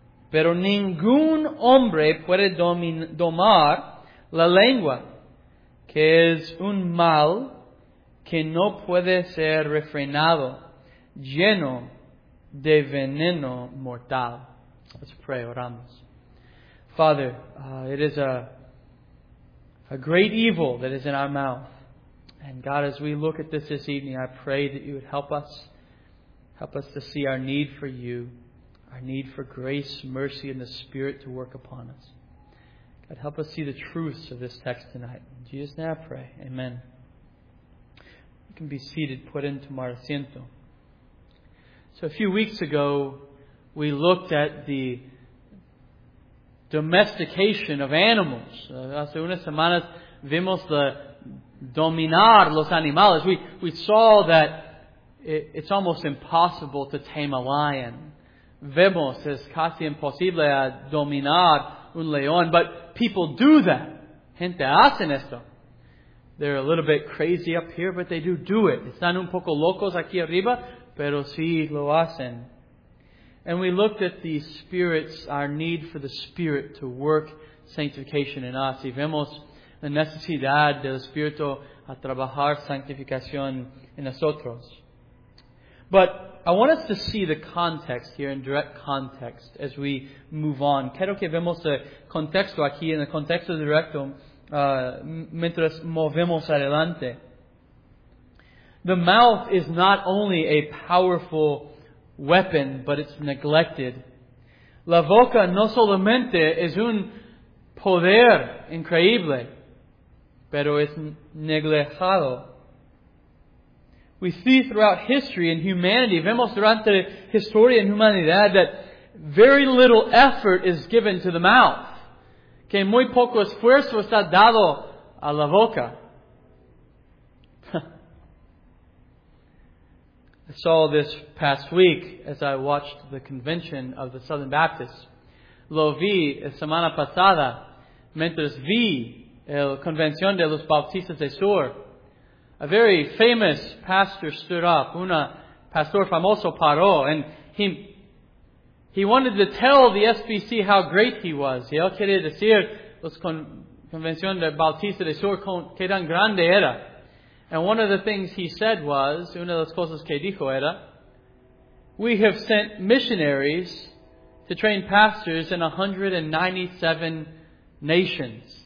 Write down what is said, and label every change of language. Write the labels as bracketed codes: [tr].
[es] Pero ningún hombre puede domar la lengua, que es un mal que no puede ser refrenado, lleno de veneno mortal. [en] Let's pray, [es] oramos. [en] Father, it is a great evil that is in our mouth. And God, as we look at this evening, I pray that You would help us to see our need for You, our need for grace, mercy, and the Spirit to work upon us. God, help us see the truths of this text tonight. In Jesus' name I pray. Amen. You can be seated, put into [es] mi asiento. [en] So a few weeks ago, we looked at the domestication of animals. [es] Hace unas semanas vimos the dominar los animales. [en] We saw that it's almost impossible to tame a lion. [es] Vemos es casi imposible a dominar un león. [en] But people do that. [es] Gente hacen esto. [en] They're a little bit crazy up here, but they do it. [es] Están un poco locos aquí arriba, pero sí lo hacen. [en] And we looked at the Spirit's, our need for the Spirit to work sanctification in us. [es] Y vemos la necesidad del Espíritu a trabajar santificación en nosotros. [en] But I want us to see the context here in direct context as we move on. [es] Quiero que vemos el contexto aquí en el contexto directo mientras movemos adelante. [en] The mouth is not only a powerful weapon, but it's neglected. [es] La boca no solamente es un poder increíble, pero es negligado. [en] We see throughout history and humanity, [es] vemos durante historia en humanidad, [en] that very little effort is given to the mouth. [es] Que muy poco esfuerzo está dado a la boca. [en] I saw this past week as I watched the convention of the Southern Baptists. [es] Lo vi semana pasada mientras vi el convención de los Bautistas del Sur. [en] A very famous pastor stood up. [es] Un pastor famoso paró, [en] and he wanted to tell the SBC how great he was. [es] Y él quería decir los convención de Bautistas del Sur qué tan grande era. [en] And one of the things he said was, [es] una de las cosas que dijo era, [en] we have sent missionaries to train pastors in 197 nations.